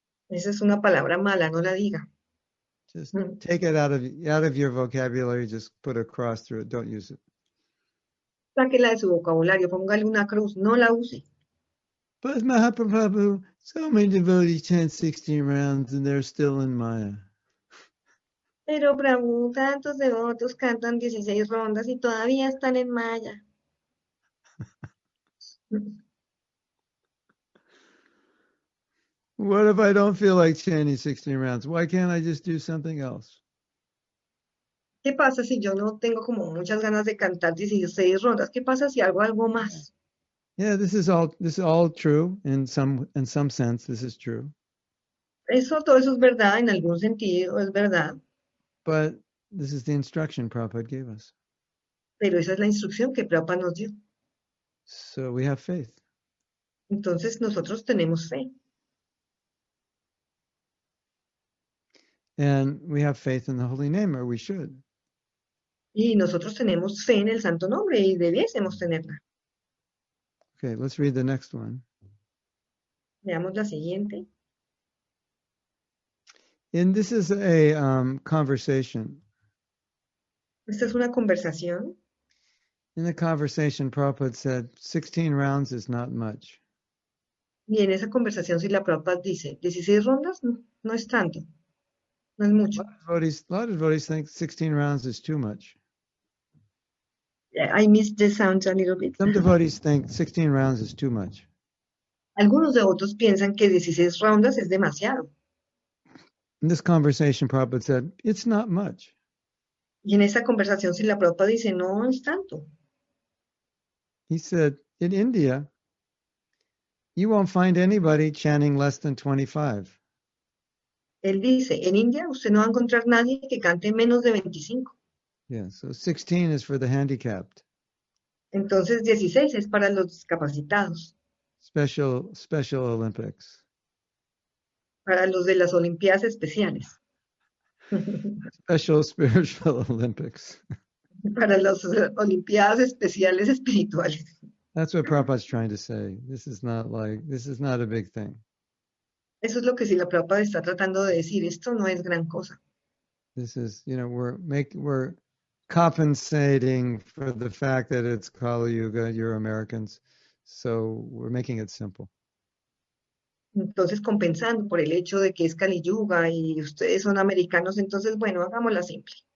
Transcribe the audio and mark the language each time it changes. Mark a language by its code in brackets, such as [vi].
[es] Esa es una palabra mala, no la diga. [en] Just take it out of your vocabulary, just put a cross through it, don't use it. [es] Sáquela de su vocabulario, póngale una cruz, no la use. [en] But Mahaprabhu, so many devotees chant 16 rounds and they're still in Maya. [es] Pero Prabhu, tantos devotos cantan 16 rondas y todavía están en Maya. [en] What if I don't feel like chanting 16 rounds? Why can't I just do something else? [es] ¿Qué pasa si yo no tengo como muchas ganas de cantar 16 rondas? ¿Qué pasa si hago algo más? [en] Yeah, this is all true in some sense. This is true. [es] Eso todo eso es verdad en algún sentido, es verdad. [en] But this is the instruction Prabhupada gave us. [es] Pero esa es la instrucción que Prabhupada nos dio. [en] So we have faith. [es] Entonces nosotros tenemos fe. [en] And we have faith in the holy name, or we should. [es] Y nosotros tenemos fe en el santo nombre y debiésemos tenerla. [en] Okay, let's read the next one. [es] Veamos la siguiente. [en] And this is a conversation. [es] Esta es una conversación. [en] In the conversation, Prabhupada said, 16 rounds is not much. [es] Y en esa conversación, si la Prabhupada dice, 16 rondas no es tanto. No es mucho. [en] A lot of devotees think 16 rounds is too much. Yeah, I missed the sound a little bit. Some devotees think 16 rounds is too much. [es] Algunos devotos piensan que 16 rondas es demasiado. [en] In this conversation, Prabhupada said, it's not much. [es] Y en esa conversación, si la Prabhupada dice, no es tanto. [en] He said, in India, you won't find anybody chanting less than 25. [es] Él dice, en India usted no va a encontrar nadie que cante menos de 25. [en] Yeah, so 16 is for the handicapped. [es] Entonces 16 es para los discapacitados. [en] Special Olympics. [es] Para los de las Olimpiadas especiales. [en] Special spiritual Olympics. [es] Para las Olimpiadas especiales espirituales. [en] That's what Prabhupada's trying to say. This is not a big thing. [es] Eso es lo que si la Prabhupada está tratando de decir. Esto no es gran cosa. [en] This is, you know, we're compensating for the fact that it's Kali Yuga, you're Americans. So we're making it simple. [es] Entonces, compensando por el hecho de que es Kali Yuga y ustedes son americanos, entonces, bueno, hagámosla simple.